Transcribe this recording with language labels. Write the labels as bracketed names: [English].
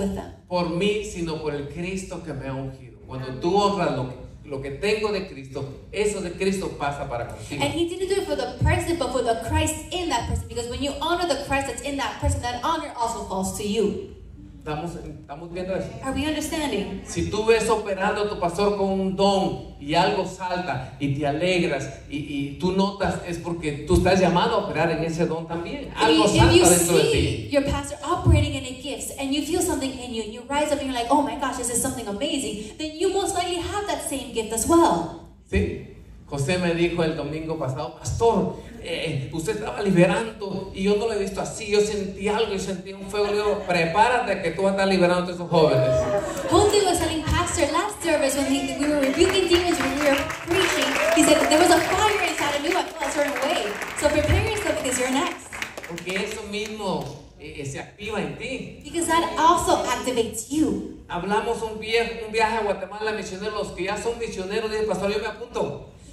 [English] no with them. [Spanish] No por mí, sino por el Cristo que me ha ungido. Cuando tú honras lo que tengo de Cristo, eso de Cristo pasa para contigo. [English] And he didn't do it for the person, but for the Christ in that person. Because when you honor the Christ that's in that person, that honor also falls to you. [Spanish] ¿Estamos viendo eso? [English] Are we understanding? [Spanish] Si tú ves operando a tu pastor con un don y algo salta y te alegras y tú notas, es porque tú estás llamado a operar en ese don también. Algo [English] if [Spanish] salta [English] you [Spanish] dentro [English] see [Spanish] de ti. [English] Your pastor operating in a gift and you feel something in you and you rise up and you're like, oh my gosh, this is something amazing, then you most likely have that same gift as well. [Spanish] Sí. José me dijo el domingo pasado, pastor, usted estaba liberando y yo no lo he visto así. Yo sentí algo, yo sentí un fuego. Le digo, prepárate que tú vas a estar liberando a esos jóvenes. [English] Holy was telling pastor last service when we were rebuking demons when we were preaching. He said there was a fire inside of me. I felt a certain way. So prepare yourself because you're next. [Spanish] Porque eso mismo se activa en ti. [English] Because that also activates you. [Spanish] Hablamos un viaje a Guatemala, misioneros, los que ya son misioneros, dije, pastor, yo me apunto.